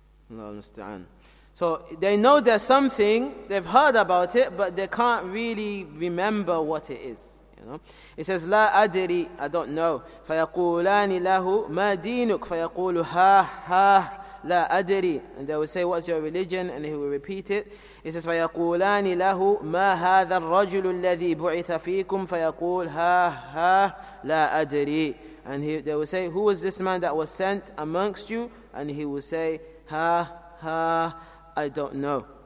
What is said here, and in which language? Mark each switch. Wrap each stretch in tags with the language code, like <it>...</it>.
<en>Allah musta'an. So they know there's something, they've heard about it, but they can't really remember what it is. You know, it says,</en> <ar>لا أدري,</ar> <en>I don't know.</en> <ar>فَيَقُولَانِ لَهُ مَا دِينُكَ, فَيَقُولُ هَا هَا لَا أَدْرِي,</ar> <en>and they will say, what's your religion? And he will repeat it.</en> <ar>It says, فَيَقُولَانِ لَهُ مَا هَذَا الرَّجُلُ الَّذِي بُعِثَ فِيكُمْ, فَيَقُولُ هَا هَا لَا أَدْرِي,</ar> <en>and they will say, who is this man that was sent amongst you? And he will say, هَا هَا, I don't know.</en>